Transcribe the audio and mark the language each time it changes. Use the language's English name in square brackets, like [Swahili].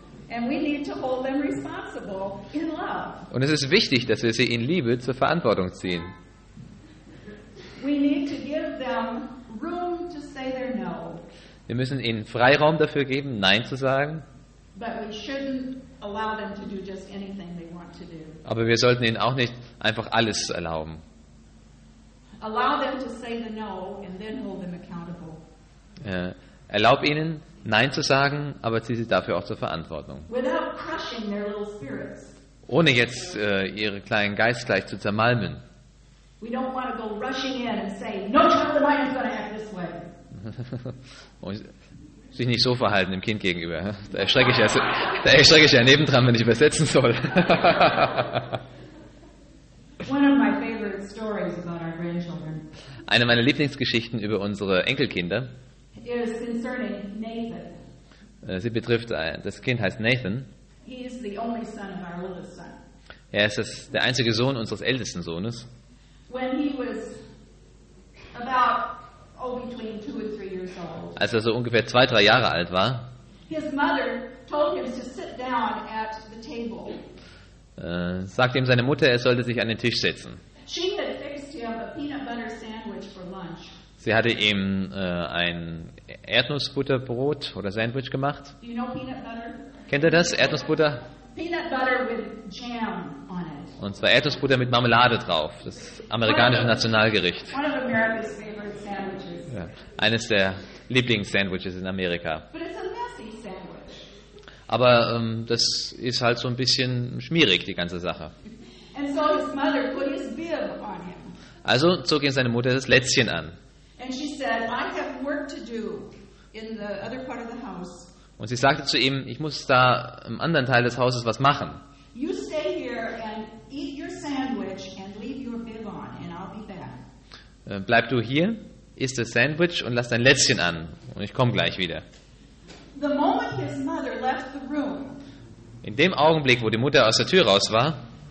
[English] And we need to hold them responsible in love. [German] Und es ist wichtig, dass wir sie in Liebe zur Verantwortung ziehen. [English] We need to give them room to say their no. [German] Wir müssen ihnen Freiraum dafür geben, Nein zu sagen. [English] But we shouldn't allow them to do just anything they want to do. [German] Aber wir sollten ihnen auch nicht einfach alles erlauben. [English] Allow them to say the no and then hold them accountable. [German] Erlaub ihnen, Nein zu sagen, aber zieh sie dafür auch zur Verantwortung. [English] Without crushing their little spirits. [German] Ohne jetzt ihre kleinen Geist gleich zu zermalmen. [English] We don't want to go rushing in and say, no child of mine is going to act this way. [German] Und sich nicht so verhalten dem Kind gegenüber. Da erschrecke ich ja nebendran, wenn ich übersetzen soll. [English] One of my favorite stories about our grandchildren. [German] Eine meiner Lieblingsgeschichten über unsere Enkelkinder. [English] Is concerning Nathan. [German] Sie betrifft, das Kind heißt Nathan. [English] He is the only son of our oldest son. [German] Er ist der einzige Sohn unseres ältesten Sohnes. [English] When he was about between 2 and 3 years old. [German] Als er so ungefähr 2-3 Jahre alt war, [English] his mother told him to sit down at the table. [German] Sagte ihm seine Mutter, er sollte sich an den Tisch setzen. [English] She had fixed him a peanut butter sandwich for lunch. [German] Sie hatte ihm ein Erdnussbutterbrot oder Sandwich gemacht. [English] Do you know peanut butter? [German] Kennt ihr das? Erdnussbutter? [English] Peanut butter with jam on it. [German] Und zwar Erdnussbutter mit Marmelade drauf. Das amerikanische Nationalgericht. [English] One of America's favorite sandwiches. [German] Ja, eines der Lieblingssandwiches in Amerika. [English] But it's a messy sandwich. [German] Aber das ist halt so ein bisschen schmierig, die ganze Sache. [English] And so his mother put his bib on him. [German] Also zog ihm seine Mutter das Lätzchen an. [English] And she said, I have work to do in the other part of the house. [German] Und sie sagte zu ihm, ich muss da im anderen Teil des Hauses was machen. [English] You stay here and eat your sandwich and leave your bib on and I'll be back. [German] Bleib du hier, iss das Sandwich und lass dein Lätzchen an und ich komme gleich wieder. [English] The moment his mother left the room. [German] In dem Augenblick, wo die Mutter aus der Tür raus war,